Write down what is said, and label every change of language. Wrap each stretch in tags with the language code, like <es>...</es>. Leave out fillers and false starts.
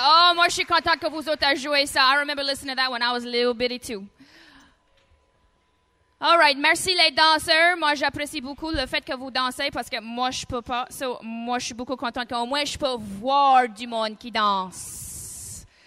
<fr>Oh, moi, je suis content que vous autres jouez ça.</fr> <en>I remember listening to that when I was a little bitty, too.</en> <fr>All right. Merci, les danseurs. Moi, j'apprécie beaucoup le fait que vous dansez parce que moi, je peux pas. So, moi, je suis beaucoup contente qu'au moins, je peux voir du monde qui danse.</fr>